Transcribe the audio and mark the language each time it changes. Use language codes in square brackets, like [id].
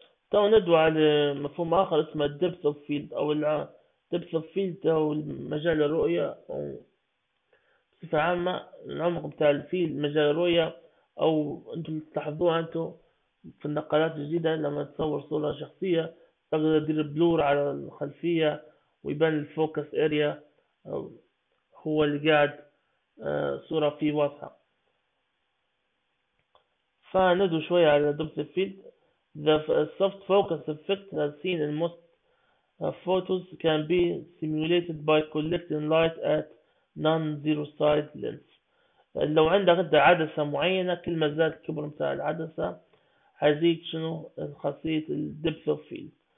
[ar] تو ندعو على مفهوم اخر اسمه depth of field، او depth of field او مجال الرؤية او بصفة عامة العمق بتاع الفيل مجال الرؤية، او انتم تلاحظوه انتم في النقلات الجديدة لما تصور صورة شخصية تقدر تدير بلور على الخلفية ويبان الفوكس اريا هو اللي قاعد صورة فيه واضحة. فندو شوية على depth of field. [en] The soft focus effect as seen in most photos can be simulated by collecting light at non-zero side lens. [ar] لو عندك انت عدسة معينة كل ما زاد الكبر بتاع العدسة هيزيد شنو خاصية ال depth of field.